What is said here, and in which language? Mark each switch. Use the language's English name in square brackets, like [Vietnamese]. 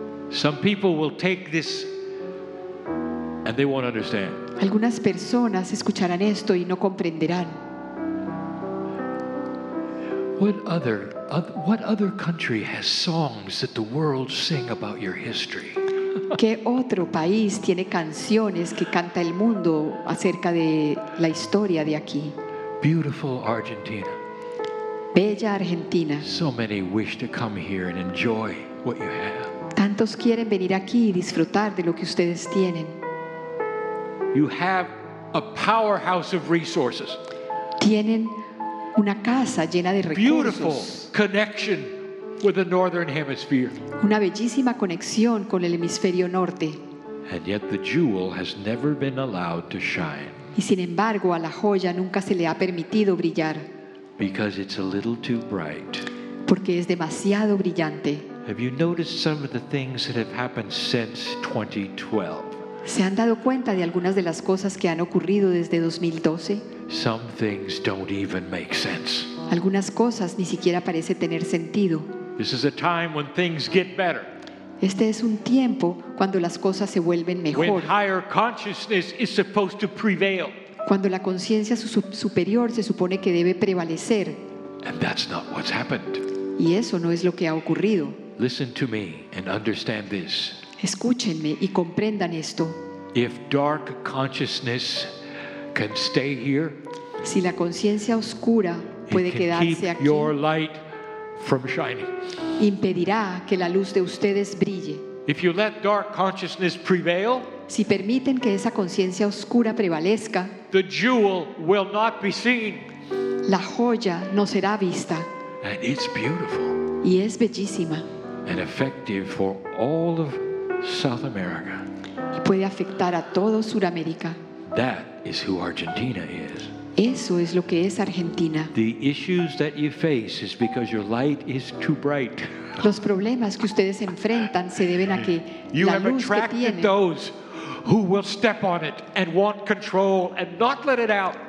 [English] Some people will take this and they won't understand. [Spanish] Algunas personas escucharán esto y no comprenderán. [English] What other country has songs that the world sing about your history? [Spanish] ¿Qué otro país tiene canciones que canta el mundo acerca de la historia de aquí? [English] Beautiful Argentina. [Spanish] Bella Argentina. [English] So many wish to come here and enjoy what you have. [Spanish] Tantos quieren venir aquí y disfrutar de lo que ustedes tienen. [English] You have a powerhouse of resources. [Spanish] Tienen una casa llena de recursos. [English] Beautiful connection with the northern hemisphere. [Spanish] Una bellísima conexión con el hemisferio norte. [English] And yet the jewel has never been allowed to shine. [Spanish] Y sin embargo, a la joya nunca se le ha permitido brillar. [English] Because it's a little too bright. [Spanish] Porque es demasiado brillante. [English] Have you noticed some of the things that have happened since 2012? [Spanish] ¿Se han dado cuenta de algunas de las cosas que han ocurrido desde 2012? [English] Some things don't even make sense. [Spanish] Algunas cosas ni siquiera parece tener sentido. [English] This is a time when things get better. [Spanish] Este es un tiempo cuando las cosas se vuelven mejor. [English] When higher consciousness is supposed to prevail. [Spanish] Cuando la conciencia superior se supone que debe prevalecer. [English] And that's not what's happened. [Spanish] Y eso no es lo que ha ocurrido. [English] Listen to me and understand this. [Spanish] Escúchenme y comprendan esto. [English] If dark consciousness can stay here, [Spanish] si la conciencia oscura puede quedarse aquí, [English] your light from shining. [Spanish] Impedirá que la luz de ustedes brille. [English] If you let dark consciousness prevail, [Spanish] si permiten que esa conciencia oscura prevalezca, [English] the jewel will not be seen. [Spanish] La joya no será vista. [English] And it's beautiful. [Spanish] Y es bellísima. [English] And effective for all of South America. [Spanish] Y puede afectar a todo Sudamérica. [English] That is who Argentina is. [Spanish] Eso es lo que es Argentina. [English] The issues that you face is because your light is too bright. [Spanish] Los problemas que ustedes enfrentan se deben a que [English] you [Spanish] la luz [English] have attracted [Spanish] que tienen, [English] those who will step on it and want control and not let it out.